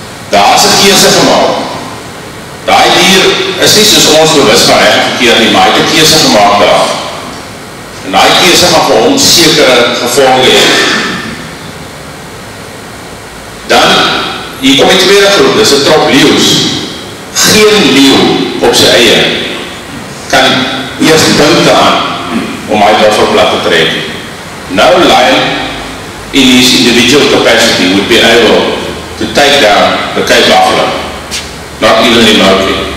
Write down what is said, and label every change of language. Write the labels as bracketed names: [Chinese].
[Afrikaans] Daar is 'n keuse gemaak. Daai dier is nie soos ons bewus van reg verkeer nie, maar hy het 'n keuse gemaak daar. En daai keuse gaan vir ons sekere gevolge hê. Dan, hier kom die tweede groep, dis 'n trop leeu's. Geen leeu op sy eie kan eers dink daaraan om my daar voor plat te trek. [English] Now lion in his individual capacity would be able to take down the Cape buffalo, not even remotely.